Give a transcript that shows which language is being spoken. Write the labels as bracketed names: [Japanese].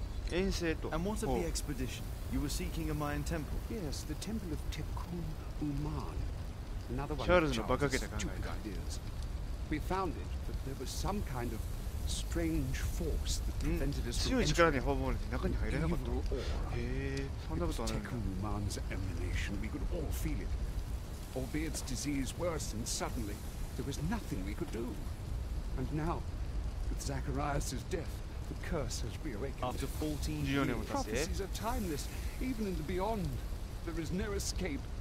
[Japanese] 遠征と。 [English] And what of the expedition? You were seeking a Mayan temple. Yes, the temple of Tekun Umán. Another one of Charles' stupid ideas. We found it, but there was some kind of strange force that prevented us from [Japanese] 強い力に包まれて中に入れなかった。へえ、そんなことある。 [English] Tekun Umán's emanation. We could all feel it. Albeit's disease worsened suddenly. There was nothing we could do. And now, with Zacharias' death, the curse has reawakened. After 14 years, the prophecies are timeless. Even in the beyond, there is no escape.